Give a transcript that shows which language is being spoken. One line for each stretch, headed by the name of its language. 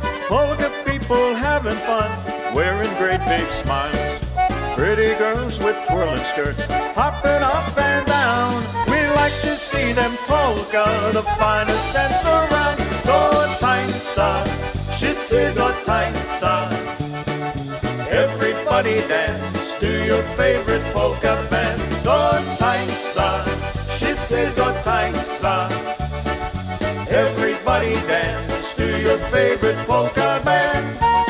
English: Polka people having fun, wearing great big smiles. Pretty girls with twirling skirts, hopping up and down. We like to see them polka, the finest dance around.
Polish: Do tańca, wszyscy do tańca.
English: Everybody dance to your favorite polka band.
Polish: Do tańca, wszyscy do tańca.
English: Everybody dance to your favorite polka band.